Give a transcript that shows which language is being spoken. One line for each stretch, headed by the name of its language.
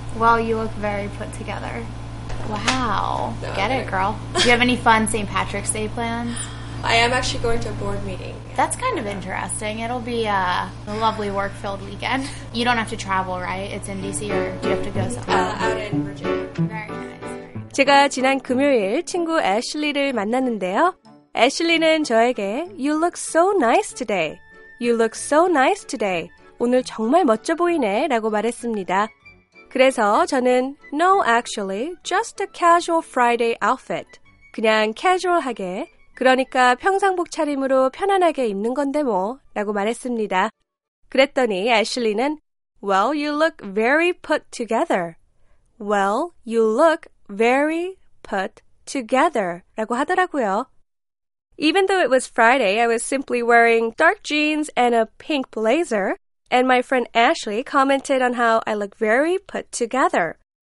English: Wow, you look very put together. Wow. No, get it, girl. Do you have any fun St. Patrick's Day plans? I am actually going to a board meeting. That's kind of interesting. It'll be a lovely work-filled weekend. You don't have to travel, right? It's in D.C. or do you have to go somewhere? Out in Virginia. Very nice.
Korean: 제가 지난 금요일 친구 애슐리를 만났는데요. 애슐리는 저에게
English: You look so nice today. You look so nice today.
Korean: 오늘 정말 멋져 보이네 라고 말했습니다. 그래서 저는
English: No, actually, just a casual Friday outfit.
Korean: 그냥 casual하게, 그러니까 평상복 차림으로 편안하게 입는 건데 뭐 라고 말했습니다. 그랬더니 애슐리는
English: Well, you look very put together. Well, you look very put together
Korean: 라고 하더라고요.
English: Even though it was Friday, I was simply wearing dark jeans and a pink blazer, and my friend Ashley commented on how I look very put together.